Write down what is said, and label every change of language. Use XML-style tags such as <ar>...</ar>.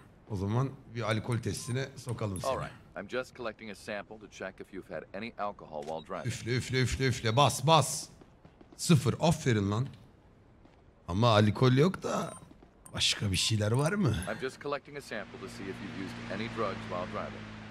<tr>O zaman bir alkol testine sokalım seni.</tr> <en>I'm just collecting a sample to check if you've had any alcohol while driving.</en> <tr>Üfle üfle üfle üfle, bas bas. Sıfır, aferin lan. Ama alkol yok da başka bir şeyler var mı?</tr> <en>I'm just collecting a sample to see if you've used any drugs while driving.</en>